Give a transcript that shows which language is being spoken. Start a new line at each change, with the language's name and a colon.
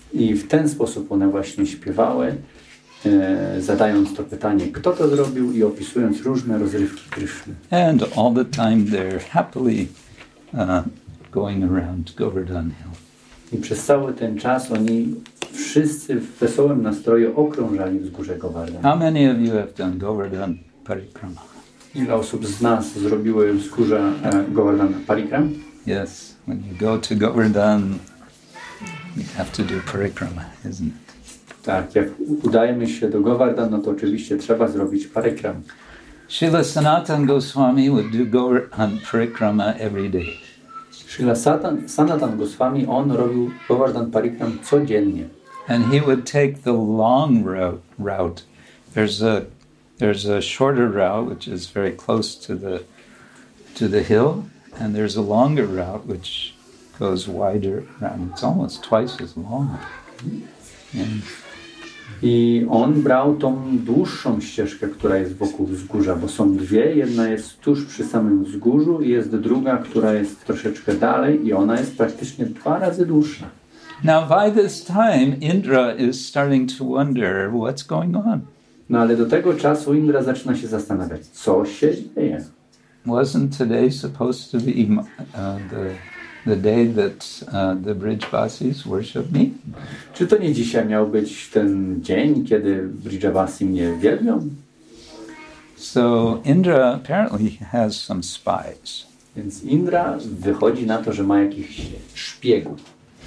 Polish: I w ten sposób one właśnie śpiewały, zadając to pytanie, kto to zrobił i opisując różne rozrywki Kryszny.
English: And all the time they're happily going around Govardhan Hill.
Polish: I przez cały ten czas oni wszyscy w wesołym nastroju okrążali wzgórze Govardhan.
English: How many of you have done Govardhan Parikrama?
Polish: Ile osób z nas zrobiło wzgórze Govardhan Parikram?
English: Yes, when you go to Govardhan, we have to do parikrama, isn't it?
Polish: Tak, jak udajemy się do Govardhan, no to oczywiście trzeba zrobić parikram.
English: Srila Sanatan Goswami would do Govardhan parikrama every day.
Polish: Srila Sanatan Goswami, on robił Govardhan parikram codziennie.
English: And he would take the long route. There's a shorter route, which is very close to the hill, and there's a longer route, which goes wider around. It's almost twice as long. Yeah.
Polish: I on brał tą dłuższą ścieżkę, która jest wokół wzgórza, bo są dwie. Jedna jest tuż przy samym wzgórzu i jest druga, która jest troszeczkę dalej i ona jest praktycznie dwa razy dłuższa.
English: Now by this time Indra is starting to wonder what's going on.
Polish: No, ale do tego czasu Indra zaczyna się zastanawiać, co się dzieje.
English: Wasn't today supposed to be the day that the Brijavasis worship me?
Polish: Czy to nie dzisiaj miał być ten dzień, kiedy Brijavasi mnie wielbią?
English: So Indra apparently has some spies.
Polish: Więc Indra wychodzi na to, że ma jakichś szpiegów.